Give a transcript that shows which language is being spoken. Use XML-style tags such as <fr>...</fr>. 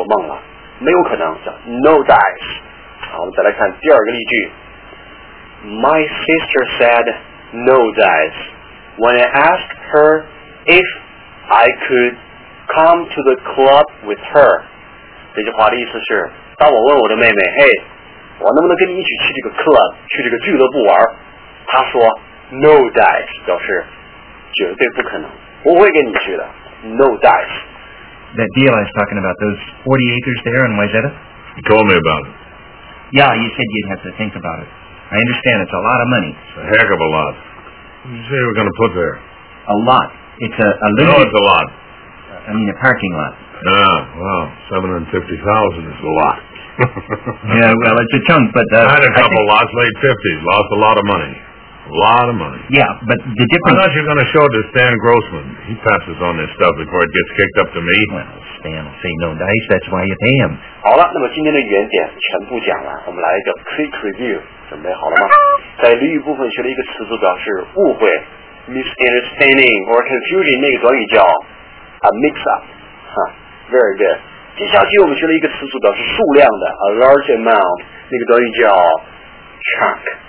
<zh>他说,别做梦了,没有可能,叫 no dice. 好,我们再来看第二个例句。</zh> <en>My sister said, no dice, when I asked her if I could come to the club with her.</en> <zh>这句话的意思是,当我问我的妹妹,嘿,我能不能跟你一起去这个 club,去这个俱乐部玩? 他说 no dice 表示绝对不可能，不会跟你去的 no dice.</zh> <en>That deal I was talking about, those 40 acres there in Wayzata? You told me about it. Yeah, you said you'd have to think about it. I understand, it's a lot of money. It's a heck of a lot. What did you say you were going to put there? A lot. It's a limited... No, it's a lot. I mean, a parking lot. Ah, wow. 750,000 is a lot. Yeah, well, it's a chunk, but... I had a couple lots, late 50s. Lost a lot of money. A lot of money. Yeah, but the difference... I thought you were going to show it to Stan Grossman. He passes on this stuff before it gets kicked up to me. Well, Stan will say no dice. That's why you pay him.</en> <zh>好了，那么今天的原点全部讲完，我们来一个</zh> <en>quick review。</en> <zh>准备好了吗？在俚语部分学了一个词组，表示误会 ，</zh> <en>misunderstanding or confusion，</en> <zh>那个短语叫 a mix up， 哈 ，</zh> <en>very good。</en> <zh>接下去我们学了一个词组，表示数量的</zh> <en>a large amount，</en> <zh>那个短语叫 chunk。</zh>